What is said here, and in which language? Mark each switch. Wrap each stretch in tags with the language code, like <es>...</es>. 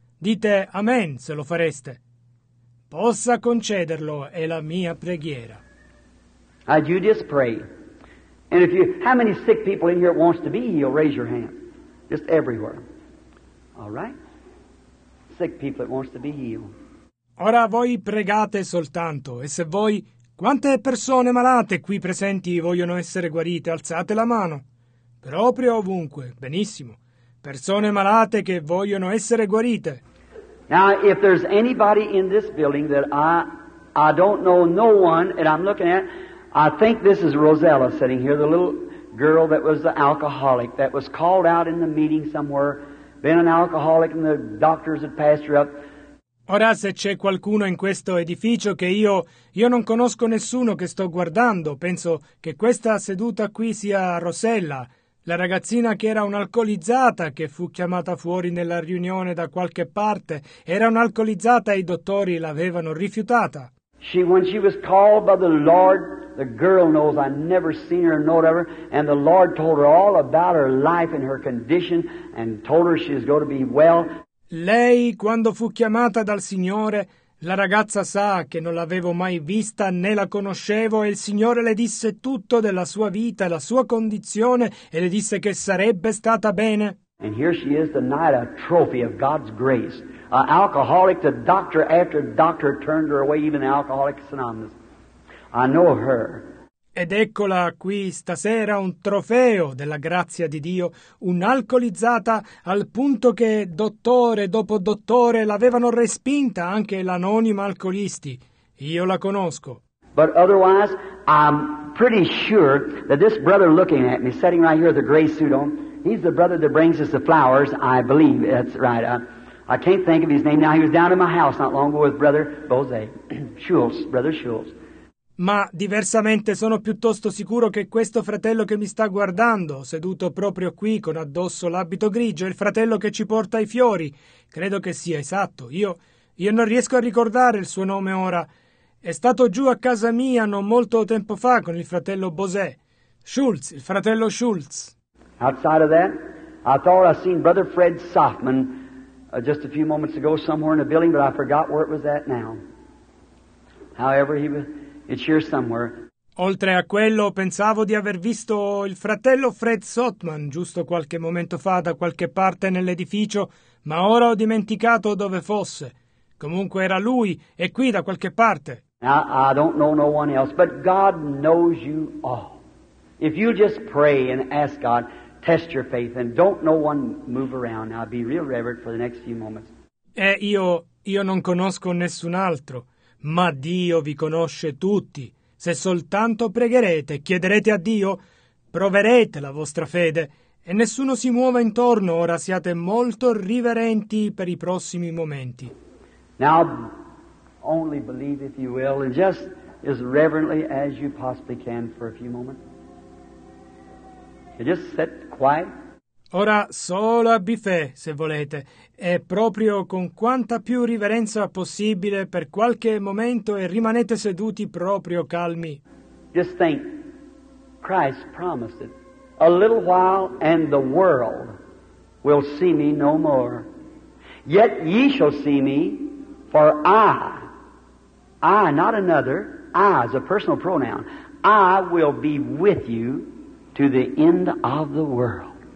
<it>Dite amen se lo fareste. Possa concederlo, è la mia preghiera.</it> <en>I do just pray. And if you, how many sick people in here wants to be healed? Raise your hand. Just everywhere. All right? Sick people that wants to be healed.</en> <it>Ora voi pregate soltanto, e se voi... Quante persone malate qui presenti vogliono essere guarite? Alzate la mano. Proprio ovunque. Benissimo. Persone malate che vogliono essere guarite.</it> <en>Now, if there's anybody in this building that I don't know, no one, and I'm looking at, I think this is Rosella sitting here, the little girl that was the alcoholic, that was called out in the meeting somewhere, been an alcoholic and the doctors had passed her up.</en> <it>Ora, se c'è qualcuno in questo edificio che io non conosco nessuno che sto guardando, penso che questa seduta qui sia Rosella, la ragazzina che era un'alcolizzata che fu chiamata fuori nella riunione da qualche parte, era un'alcolizzata e i dottori l'avevano rifiutata.</it> <en>She, when she was called by the Lord, the girl knows I never seen her, nor ever, and the Lord told her all about her life and her condition and told her she's going to be well.</en> <it>Lei, quando fu chiamata dal Signore, la ragazza sa che non l'avevo mai vista né la conoscevo, e il Signore le disse tutto della sua vita, la sua condizione, e le disse che sarebbe stata bene.</it> <en>And here she is tonight, a trophy of God's grace. An alcoholic, the doctor after doctor turned her away, even the Alcoholics Anonymous. I know her.</en> <it>Ed eccola qui stasera un trofeo della grazia di Dio, un'alcolizzata al punto che dottore dopo dottore l'avevano respinta, anche l'anonima alcolisti. Io la conosco.</it> <en>But otherwise, I'm pretty sure that this brother looking at me, sitting right here with the gray suit on, He's the brother that brings us the flowers, I believe. That's right. I can't think of his name now. He was down in my house not long ago with Brother Bose, Schultz, Brother Schultz.</en> <it>Ma diversamente sono piuttosto sicuro che questo fratello che mi sta guardando, seduto proprio qui con addosso l'abito grigio, è il fratello che ci porta i fiori. Credo che sia esatto. Io non riesco a ricordare il suo nome ora. È stato giù a casa mia non molto tempo fa con il fratello Bose. Schultz, il fratello Schultz.</it> <en>Outside of that, I thought I seen Brother Fred Softman just a few moments ago somewhere in a building, but I forgot where it was at now. However, he was... It's here somewhere.</en> <it>Oltre a quello, pensavo di aver visto il fratello Fred Sotman giusto qualche momento fa da qualche parte nell'edificio, ma ora ho dimenticato dove fosse. Comunque era lui, è qui da qualche parte.</it> <en>I don't know no one else, but God knows you all. If you just pray and ask God, test your faith, and don't no one move around, I'll be real reverent for the next few moments.</en> <it>Io non conosco nessun altro. Ma Dio vi conosce tutti. Se soltanto pregherete, chiederete a Dio, proverete la vostra fede e nessuno si muova intorno. Ora siate molto riverenti per i prossimi momenti.</it> <en>Now, only believe if you will, and just as reverently as you possibly can for a few moments. Just sit quiet. Ora solo abbi fede, se volete, e proprio con quanta più riverenza possibile per qualche momento e rimanete seduti proprio calmi. Just think, Christ promised it. A little while and the world will see me no more. Yet ye shall see me, for I, not another, I is a personal pronoun, I will be with you to the end of the world.</en>